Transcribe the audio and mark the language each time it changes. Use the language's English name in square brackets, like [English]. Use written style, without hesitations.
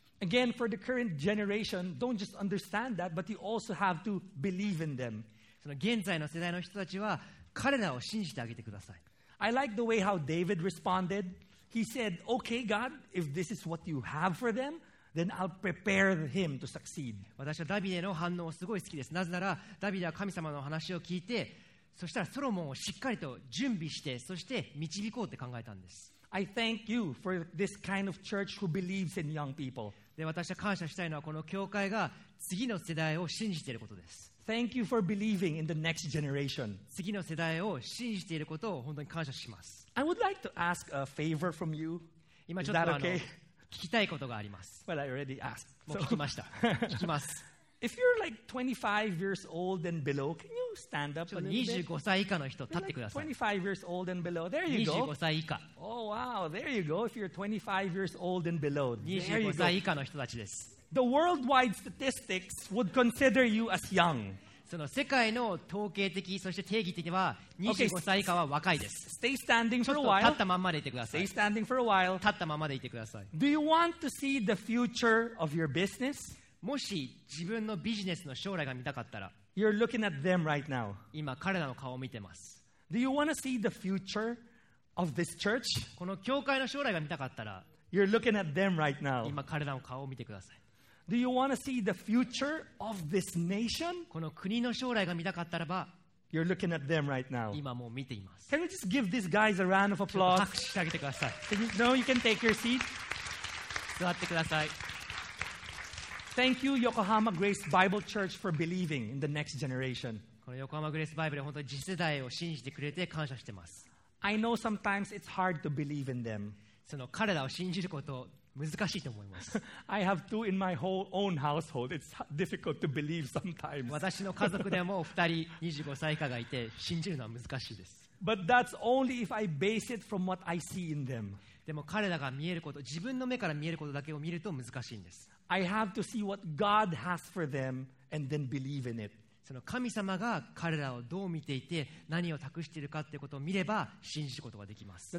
[English] Again, for the current generation, don't just understand that, but you also have to believe in them. [Japanese] その現在の世代の人たちは彼らを信じてあげてください。 [English] I like the way how David responded. He said, "Okay, God, if this is what you have for them, then I'll prepare him to succeed." [Japanese] 私はダビデの反応をすごい好きです。なぜならダビデは神様の話を聞いて、そしたらソロモンをしっかりと準備して、そして導こうって考えたんです。 [English] I thank you for this kind of church who believes in young people. [Japanese] で、私は感謝したいのはこの教会が次の世代を信じていることです。 [English] Thank you for believing in the next generation. [Japanese] 次の世代を信じていることを本当に感謝します。 [English] I would like to ask a favor from you. [Japanese] 今ちょっと聞きたいことがあります。 [English] Well, I already asked. [Japanese] もう聞きました。聞きます。 [English] If you're like 25 years old and below, can you stand up a little bit? [Japanese] 25歳以下の人立ってください。 [English] 25 years old and below. There you go. [Japanese] 25歳以下。 [English] Oh wow, there you go. If you're 25 years old and below. [Japanese] 25歳以下の人たちです。 [English] The worldwide statistics would consider you as young. [Japanese] その世界の統計的そして定義的には25歳以下は若いです。 [English] Stay standing for a while. [Japanese] 立ったままでいてください。 [English] Stay standing for a while. [Japanese] 立ったままでいてください。 [English] Do you want to see the future of your business? [Japanese] もし自分のビジネスの将来が見たかったら、 [English] You're looking at them right now. [Japanese] 今彼らの顔を見てます。 [English] Do you want to see the future of this church? [Japanese] この教会の将来が見たかったら、 [English] You're looking at them right now. [Japanese] 今彼らの顔を見てください。 [English] Do you want to see the future of this nation? [Japanese] この国の将来が見たかったらば、 [English] You're looking at them right now. [Japanese] 今もう見ています。 [English] Can you just give these guys a round of applause? [Japanese] 拍手してあげてください。 [English] No, you can take your seat. [Japanese] 座ってください。 [English] Thank you, Yokohama Grace Bible Church, for believing in the next generation. [Japanese] この横浜グレースバイブル本当に次世代を信じてくれて感謝してます。 [English] I know sometimes it's hard to believe in them. [Japanese] その彼らを信じること難しいと思います。 [English] I have two in my whole own household. It's difficult to believe sometimes. [Japanese] 私の家族でも2人25歳以下がいて信じるのは難しいです。 [English] But that's only if I base it from what I see in them. [Japanese] でも彼らが見えること、自分の目から見えることだけを見ると難しいんです。 [English] I have to see what God has for them and then believe in it. [Japanese] その神様が彼らをどう見ていて何を託しているかということを見れば信じることができます。